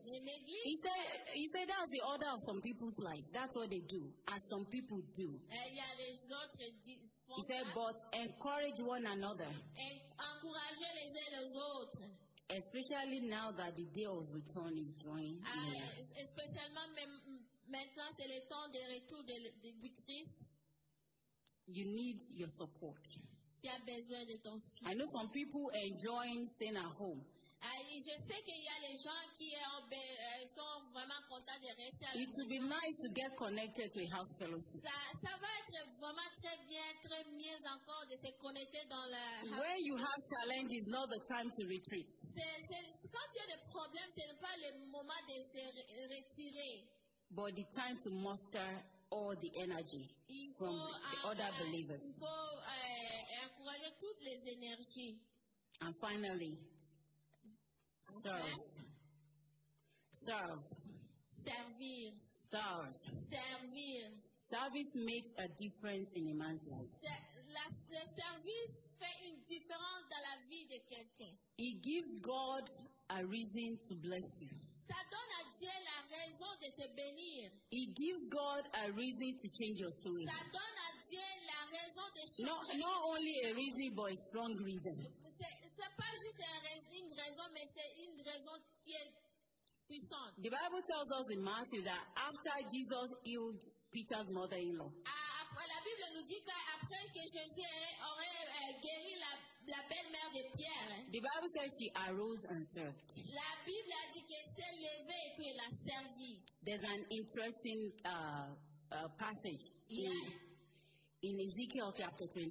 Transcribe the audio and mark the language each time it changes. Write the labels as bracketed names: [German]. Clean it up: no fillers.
[English] He said that's the order of some people's life. That's what they do. As some people do. He said, but encourage one another. [French] Encourager les uns les autres. [English] Especially now that the day of return is drawing near. [French] Especially maintenant, c'est le temps de retour du Christ. [English] You need your support. [French] Tu as besoin de ton soutien. [English] I know some people enjoy staying at home. [French] Je sais qu'il y a les gens qui sont vraiment contents de rester à la maison. [English] It would be nice to get connected to a house fellowship. [French] Ça va être vraiment très bien, très mieux encore de se connecter dans la [English] house. Where you have challenges, is not the time to retreat. [French] C'est quand tu as des problèmes, ce n'est pas le moment de se retirer. [English] But the time to muster all the energy from the other believers. [French] Il faut encourager toutes les énergies. [English] And finally, serve. [French] Servir. [English] Serve. [French] Servir. [English] Service makes a difference in a man's life. [French] Le service fait une différence dans la vie de quelqu'un. [English] It gives God a reason to bless you. [French] Ça donne à Dieu la raison de te bénir. [English] It gives God a reason to change your story. [French] Ça donne à Dieu la raison de changer. [English] Not only a reason, but a strong reason. [French] C'est pas juste une raison, mais c'est une raison qui est puissante. [English] The Bible tells us in Matthew that after Jesus healed Peter's mother-in-law. [French] La Bible nous dit qu'après que Jésus aurait guéri la belle-mère de Pierre. [English] The Bible says she arose and served. [French] La Bible a dit qu'elle s'est levée et puis elle a servi. [English] There's an interesting passage in Ezekiel chapter 29.